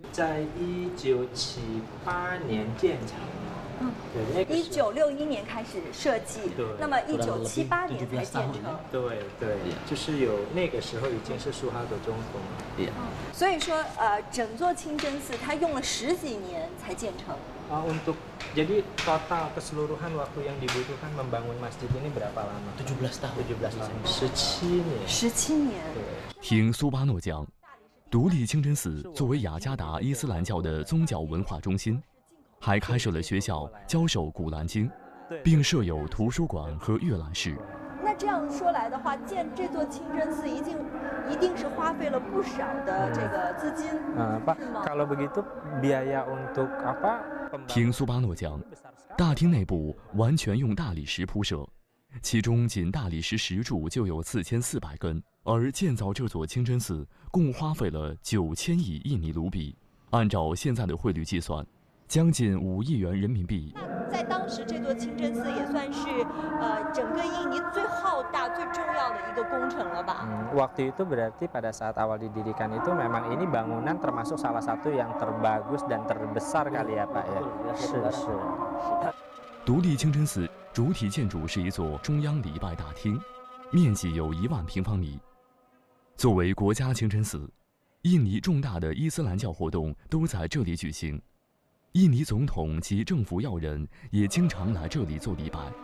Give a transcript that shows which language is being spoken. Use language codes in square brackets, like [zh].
[zh] 在1978年建厂， 1961年开始设计，那么1978年才建成。对对，就是有那个时候已经是苏哈德中统了。所以说，整座清真寺它用了10几年才建成。 [id] Untuk jadi total keseluruhan waktu yang dibutuhkan membangun masjid ini berapa lama? 17 tahun. 17 tahun. [zh] 17年。 17年。听苏巴诺讲。独立清真寺作为雅加达伊斯兰教的宗教文化中心，还开设了学校教授古兰经，并设有图书馆和阅览室。那这样说来的话，建这座清真寺一定是花费了不少的这个资金。 [id] Kalau begitu biaya untuk apa？ [zh] 听苏巴诺讲，大厅内部完全用大理石铺设，其中仅大理石石柱就有4400根。而建造这座清真寺共花费了9000亿印尼卢比，按照现在的汇率计算，将近5亿元人民币。在当时，这座清真寺也算是整个印尼最浩大、最重要的一个工程了吧？ [id] Waktu itu berarti pada saat awal didirikan itu memang ini bangunan termasuk salah satu yang terbagus dan terbesar kali ya Pak ya. [zh] 是。独立清真寺主体建筑是一座中央礼拜大厅，面积有1万平方米。作为国家清真寺，印尼重大的伊斯兰教活动都在这里举行，印尼总统及政府要人也经常来这里做礼拜。